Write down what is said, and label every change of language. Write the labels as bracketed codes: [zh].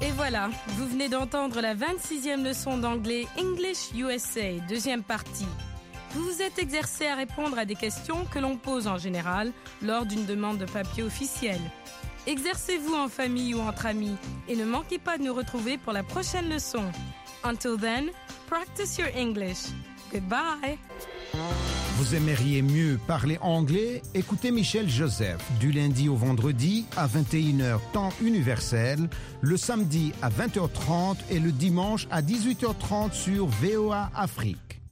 [fr] Voilà, vous venez d'entendre la 26e leçon d'anglais English USA, deuxième partie. Vous vous êtes exercé à répondre à des questions que l'on pose en général lors d'une demande de papier officiel. Exercez-vous en famille ou entre amis et ne manquez pas de nous retrouver pour la prochaine leçon. [en] Until then, practice your English. Goodbye! [fr] Vous aimeriez mieux parler anglais? Écoutez Michel Joseph du lundi au vendredi à 21h temps universel, le samedi à 20h30 et le dimanche à 18h30 sur VOA Afrique.